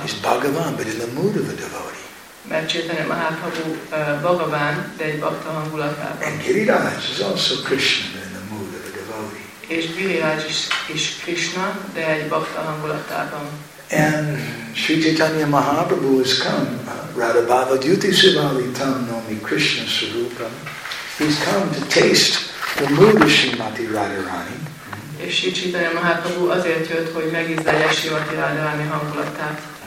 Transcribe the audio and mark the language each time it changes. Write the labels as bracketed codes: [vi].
[en] He's Bhagavan, but in the mood of a devotee. [hu] Mert Chaitanya Mahaprabhu Bhagavan, de egy bhakta hangulatában. [en] And Giriraj is also Krishna in the mood of a devotee. [hu] És Giriraj is Krishna, de egy bhakta hangulatában. [en] And Sri Chaitanya Mahaprabhu has come. [sa] Radha Bhava Dyuti Sivali Tam Nomi Krishna Sarupam. [en] He's come to taste the mood of Srimati Radharani. [hu] És Sri Chaitanya Mahaprabhu azért jött, hogy megízlelje Srimati Radharani hangulatát.